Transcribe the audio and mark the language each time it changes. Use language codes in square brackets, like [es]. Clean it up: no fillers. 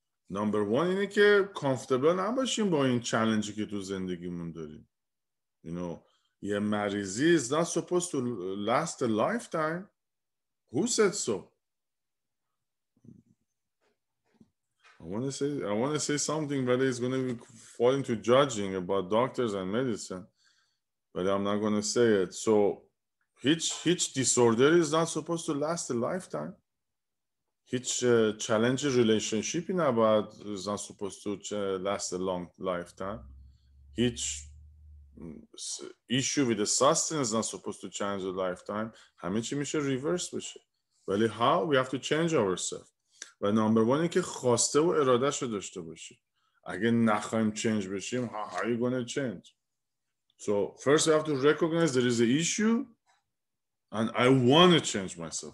[fa] نمبر وان اینه که کامفتبل نباشیم با این چالنجی که تو زندگیمون داریم. [en] You know, [fa] یه مریضی [en] is not supposed to last a lifetime. Who said so? I want to say something, but it's going to be fall into judging about doctors and medicine. But I'm not going to say it. So, each disorder is not supposed to last a lifetime. Each challenging relationship in about is not supposed to last a long lifetime. Each issue with the sustenance is not supposed to change a lifetime. [fa] همه چی میشه [en] reverse [fa] بشه. ولی [en] how? We have to change ourselves. [fa] و نمبر وان این که خواسته و اراده شو داشته باشیم. اگه نخواهیم [en] Change بشیم, how are you gonna change? So first we have to recognize there is an issue and I want to change myself.